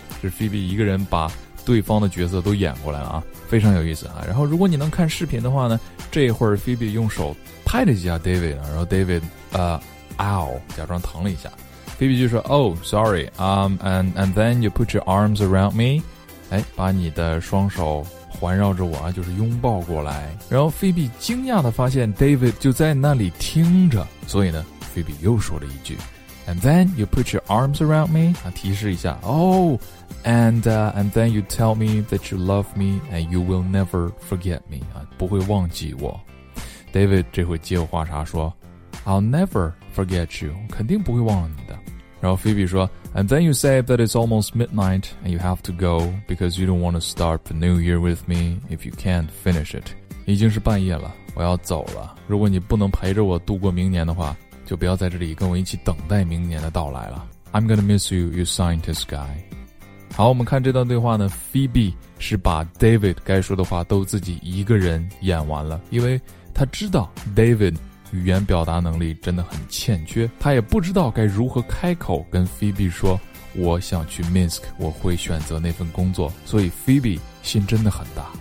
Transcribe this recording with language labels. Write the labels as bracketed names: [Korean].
[Chinese] 这是 Phoebe 一个人把对方的角色都演过来了啊，非常有意思啊。然后如果你能看视频的话呢，这会儿 Phoebe 用手拍了一下 David, 然后 David, ow, 假装疼了一下。 [English] Phoebe [Chinese] 就说 [English] oh, sorry, and then you put your arms around me. [Chinese] 哎，把你的双手环绕着我啊，就是拥抱过来。然后菲比惊讶地发现 [English] David [Chinese] 就在那里听着，所以呢，菲比又说了一句 [English] ，And then you put your arms around me [Chinese] 啊，提示一下哦 [English] ，and then you tell me that you love me and you will never forget me [Chinese] 啊，不会忘记我。 David 这回接话茬说 [English] I'll never forget you, [Chinese] 肯定不会忘了你的。然后 [English] Phoebe [Chinese] 说 [English] And then you say that it's almost midnight and you have to go because you don't want to start the new year with me if you can't finish it. [Chinese] 已经是半夜了，我要走了。如果你不能陪着我度过明年的话，就不要在这里跟我一起等待明年的到来了。 [English] I'm gonna miss you, you scientist guy. [Chinese] 好，我们看这段对话呢， Phoebe 是把 David 该说的话都自己一个人演完了，因为他知道 David 语言表达能力真的很欠缺，他也不知道该如何开口跟 Phoebe 说我想去 Minsk， 我会选择那份工作，所以 Phoebe 心真的很大。